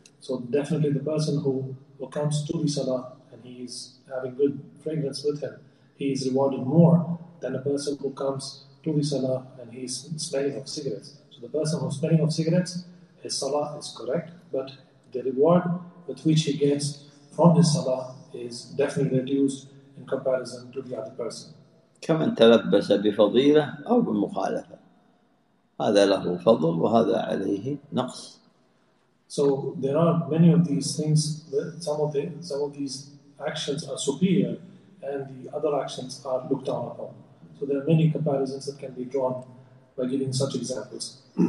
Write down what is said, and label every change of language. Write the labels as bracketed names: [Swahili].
[English] So definitely the person who comes to the salah and he is having good fragrance with him, he is rewarded more than a person who comes to the salah and he is smelling of cigarettes. So the person who is smelling of cigarettes, his salah is correct, but the reward with which he gets from his salah is definitely reduced in comparison to the other person. [Arabic] كمن تلبس بفضيلة أو بمخالفة، هذا له فضل وهذا عليه نقص. [English] So there are many of these things. Some of these actions are superior and the other actions are looked down upon. So there are many comparisons that can be drawn by giving such examples.